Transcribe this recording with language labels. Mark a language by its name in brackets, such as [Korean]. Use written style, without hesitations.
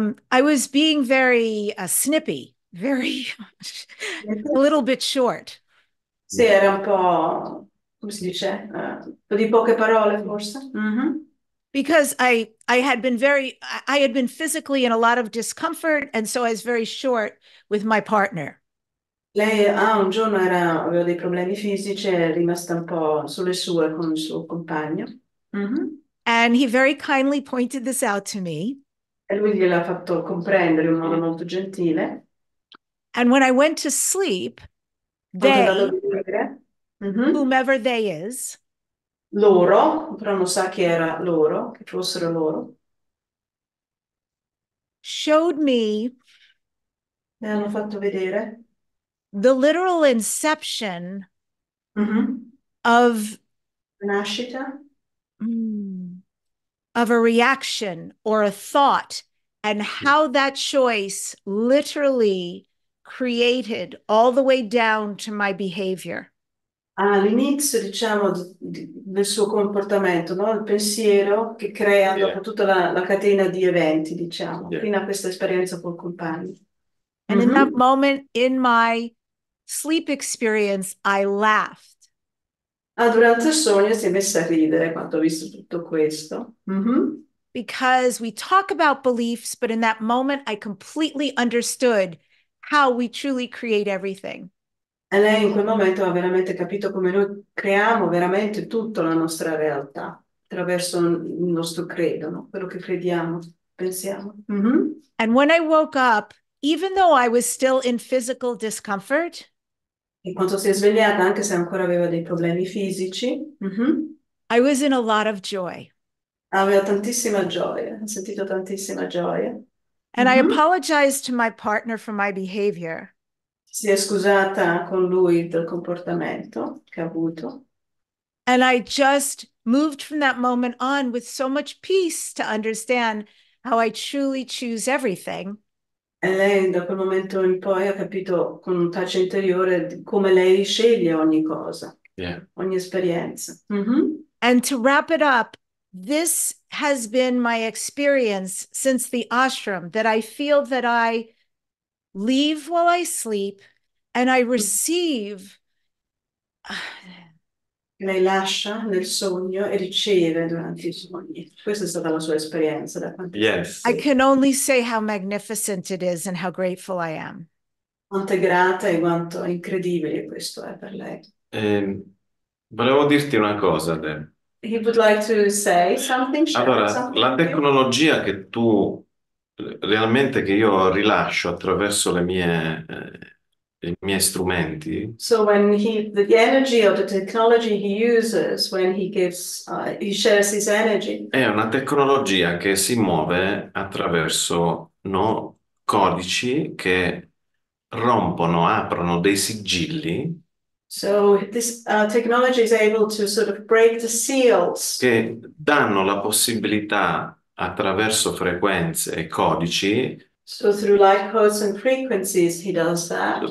[English] I was being very snippy, very a little bit short. [Italian] Sì, era un po', come si dice? Di poche parole, forse. [English] Because I had been physically in a lot of discomfort, and so I was very short with my partner. [Italian] Lei un giorno aveva dei problemi fisici, è rimasta un po' sulle sue con il suo compagno. [English] And he very kindly pointed this out to me. [Italian] E lui gliel'ha fatto comprendere in un modo molto gentile. [English] And when I went to sleep, they, whomever they is, [Italian] loro, però non sa chi era loro, che fossero loro, [English] showed me, [Italian] mi hanno fatto vedere, [English] the literal inception of [Italian] nascita, [English] of a reaction or a thought, and how that choice literally created all the way down to my behavior. [Italian] All'inizio, diciamo, del suo comportamento, no? Il pensiero che crea dopo tutta la catena di eventi, diciamo, fino a questa esperienza col compagno. [English] And in that moment, in my sleep experience, I laughed. [Italian] Ah, durante il sogno si è messa a ridere quando ho visto tutto questo. [English] Because we talk about beliefs, but in that moment I completely understood how we truly create everything. [Italian] E lei in quel momento ha veramente capito come noi creiamo veramente tutta la nostra realtà attraverso il nostro credo, no? Quello che crediamo, pensiamo. [English] And when I woke up, even though I was still in physical discomfort, [Italian] e quando si è svegliata, anche se ancora aveva dei problemi fisici, [English] I was in a lot of joy. [Italian] Aveva tantissima gioia, ha sentito tantissima gioia. [English] And I apologized to my partner for my behavior. [Italian] Si è scusata con lui del comportamento che ha avuto. [English] And I just moved from that moment on with so much peace to understand how I truly choose everything. [Italian] E lei da quel momento in poi ha capito con un touch interiore come lei sceglie ogni cosa, [English] yeah. [Italian] ogni esperienza. [English] And to wrap it up, this has been my experience since the ashram, that I feel that I leave while I sleep and I receive. [Italian] Lei lascia nel sogno e riceve durante i sogni. Questa è stata la sua esperienza da quando. [English] Yes. I can only say how magnificent it is and how grateful I am. [Italian] Quanto è grata e quanto incredibile questo è per lei. Volevo dirti una cosa, Deb. [English] He would like to say something, share [Italian] Allora, [English] something [Italian] la [English] with you. [Italian] tecnologia che tu realmente che io rilascio attraverso i miei strumenti. [English] So when he the energy of the technology he uses when he gives he shares his energy. [Italian] È una tecnologia che si muove attraverso, no, codici che rompono, aprono dei sigilli [English] So this technology is able to sort of break the seals. [Italian] che danno la possibilità attraverso frequenze e codici [English] So through light codes and frequencies he does that.